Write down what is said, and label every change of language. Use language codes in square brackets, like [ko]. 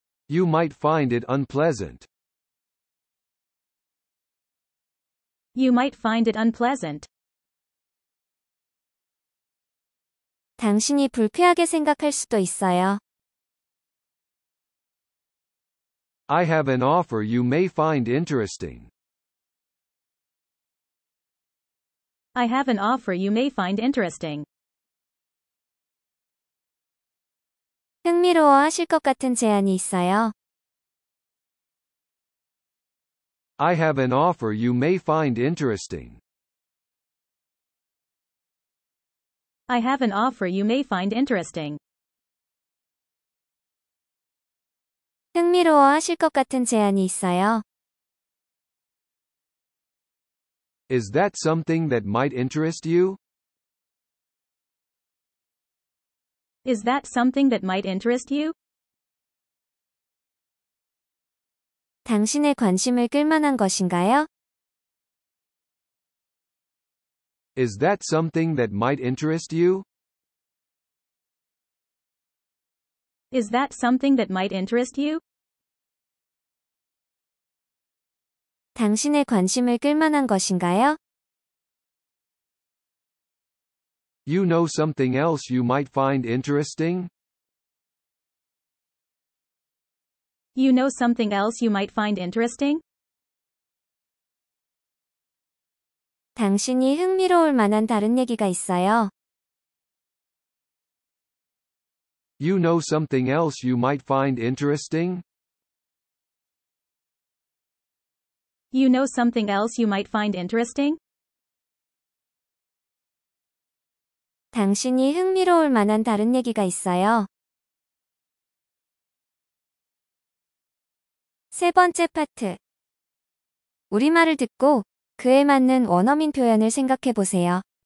[en] You might find it unpleasant. You might find it unpleasant. [ko] 당신이 불쾌하게 생각할 수도 있어요. [en] I have an offer you may find interesting. I have an offer you may find interesting. [ko] 흥미로워 하실 것 같은 제안이 있어요. [en] I have an offer you may find interesting. I have an offer you may find interesting. [ko] 흥미로워 하실 것 같은 제안이 있어요. [en] Is that something that might interest you? Is that something that might interest you? [ko] 당신의 관심을 끌만한 것인가요? [en] Is that something that might interest you? Is that something that might interest you? [ko] 당신의 관심을 끌만한 것인가요? [en] You know something else you might find interesting? You know something else you might find interesting? [ko] 당신이 흥미로울 만한 다른 얘기가 있어요. [en] You know something else you might find interesting? You know something else you might find interesting? [ko] 당신이 흥미로울 만한 다른 얘기가 있어요. 세 번째 파트. 우리말을 듣고 그에 맞는 원어민 표현을 생각해 보세요.